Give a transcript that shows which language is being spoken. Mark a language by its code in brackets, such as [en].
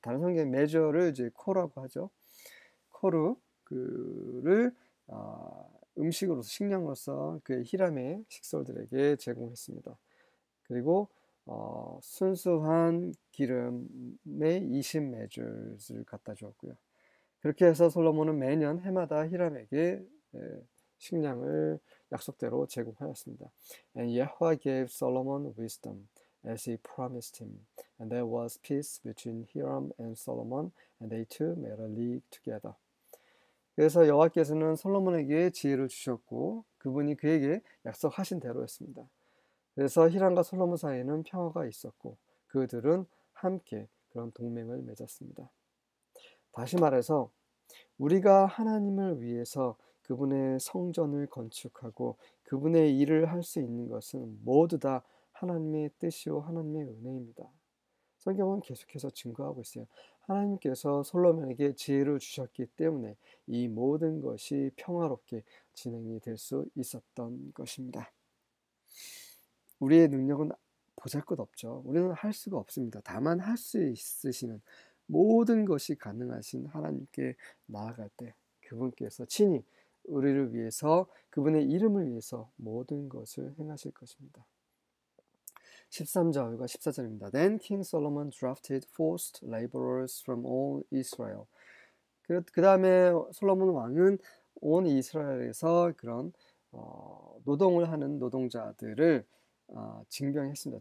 [ko] 다른 성경에 메저를 이제 코라고 하죠. 코루 그를 음식으로서 식량으로서 그 히람의 식솔들에게 제공했습니다. 그리고 순수한 기름의 20메저를 갖다 주었고요. 그렇게 해서 솔로몬은 매년 해마다 히람에게 식량을 약속대로 제공하였습니다. [en] And Yahweh gave Solomon wisdom as he promised him. And there was peace between Hiram and Solomon, and they two made a league together. [ko] 그래서 여호와께서는 솔로몬에게 지혜를 주셨고, 그분이 그에게 약속하신 대로였습니다. 그래서 히람과 솔로몬 사이에는 평화가 있었고, 그들은 함께 그런 동맹을 맺었습니다. 다시 말해서, 우리가 하나님을 위해서 그분의 성전을 건축하고 그분의 일을 할수 있는 것은 모두 다 하나님의 뜻이요 하나님의 은혜입니다. 성경은 계속해서 증거하고 있어요. 하나님께서 솔로몬에게 지혜를 주셨기 때문에 이 모든 것이 평화롭게 진행이 될수 있었던 것입니다. 우리의 능력은 보잘것없죠. 우리는 할 수가 없습니다. 다만 할수 있으시는 모든 것이 가능하신 하나님께 나아갈 때 그분께서 친히 우리를 위해서 그분의 이름을 위해서 모든 것을 행하실 것입니다. 13절과 14절입니다. [en] Then King Solomon drafted forced laborers from all Israel. [ko] 그 다음에 솔로몬 왕은 온 이스라엘에서 그런 노동을 하는 노동자들을 징병했습니다.